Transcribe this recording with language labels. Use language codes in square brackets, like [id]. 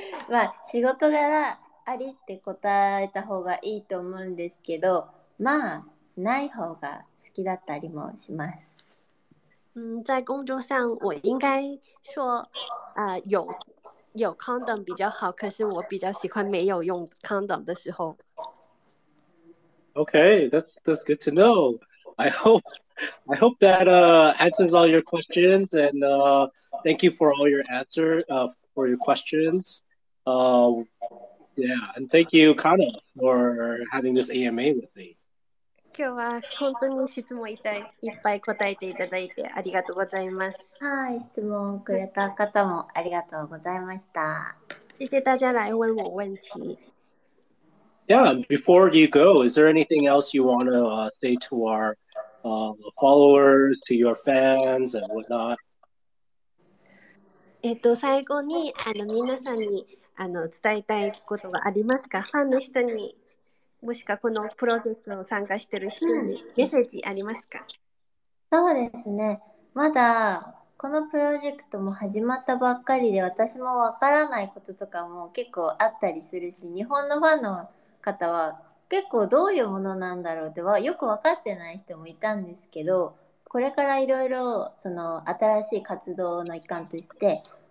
[ja] まあ仕事柄ありって答えた方がいいと思うんですけど、まあない方が好きだったりもします。 [zh] 嗯，在工作上我应该说，有 condom 比较好，可是我比较喜欢没有用 condom 的时候。 [en] Okay, that's good to know. I hope that answers all your questions, and thank you for all your answer for your questions. Yeah, and thank you, Kana, for having this AMA with me. [ja] 今日は本当に質問いっぱい答えていただいてありがとうございます。はい、質問をくれた方もありがとうございました。 [zh] 谢谢大家来问我问题。 [en] Yeah, before you go, is there anything else you want to say to our followers, to your fans and whatnot? [ja] 最後に皆さんに伝えたいことがありますか？ファンの人に、もしくはこのプロジェクトを参加している人にメッセージありますか？そうですね、まだこのプロジェクトも始まったばっかりで、私もわからないこととかも結構あったりするし、日本のファンの方は結構どういうものなんだろうってはよく分かってない人もいたんですけど、これからいろいろその新しい活動の一環として